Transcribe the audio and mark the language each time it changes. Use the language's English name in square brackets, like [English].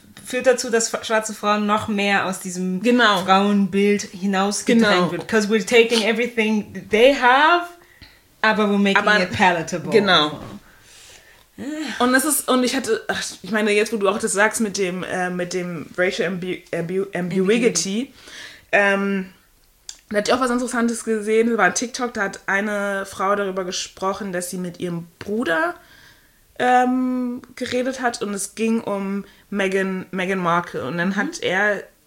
[German] Führt dazu, dass schwarze Frauen noch mehr aus diesem Frauenbild hinausgedrängt wird. [English] Because we're taking everything they have, [German] aber [English] we're making it palatable. [German] Genau. Und das ist, und ich hatte, ich meine, jetzt wo du auch das sagst mit dem Racial Ambiguity, da hatte ich auch was Interessantes gesehen, das war ein TikTok, da hat eine Frau darüber gesprochen, dass sie mit ihrem Bruder geredet hat und es ging um Meghan Markle und dann hat er,